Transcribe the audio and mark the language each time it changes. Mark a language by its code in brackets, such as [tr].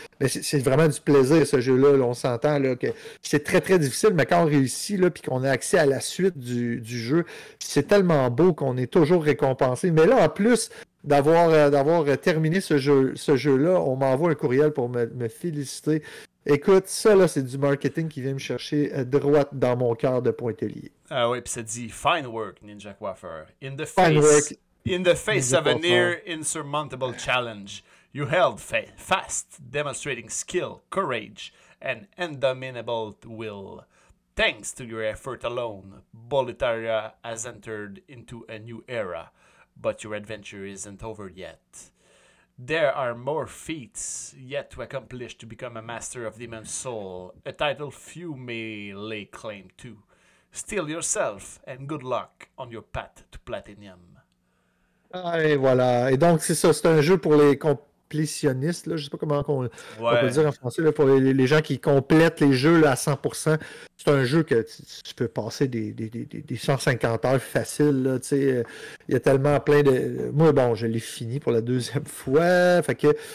[fr] Mais c'est vraiment du plaisir, ce jeu-là. Là, on s'entend là, que c'est très, très difficile, mais quand on réussit là, puis qu'on a accès à la suite du jeu, c'est tellement beau qu'on est toujours récompensé. Mais là, en plus d'avoir terminé ce jeu-là, on m'envoie un courriel pour me féliciter. Écoute, ça, là, c'est du marketing qui vient me chercher droite dans mon cœur de pointelier. Ah oui, puis ça dit « [en] Fine work, [fr] Ninja Coiffeur. [en] In the face of a near insurmountable challenge, you held fast, demonstrating skill, courage, and indomitable will. Thanks to your effort alone, Boletaria has entered into a new era, but your adventure isn't over yet. There are more feats yet to accomplish to become a master of demon soul, a title few may lay claim to. Steel yourself and good luck on your path to platinum. [fr] Ah, et voilà. Et donc, c'est ça, c'est un jeu pour les completionnistes, là. Je ne sais pas comment on, ouais. on peut dire en français, là, pour les gens qui complètent les jeux là, à 100%. C'est un jeu que tu peux passer des 150 heures faciles. Là, tu sais, il y a tellement plein de... Moi, bon, je l'ai fini pour la deuxième fois. Fait que...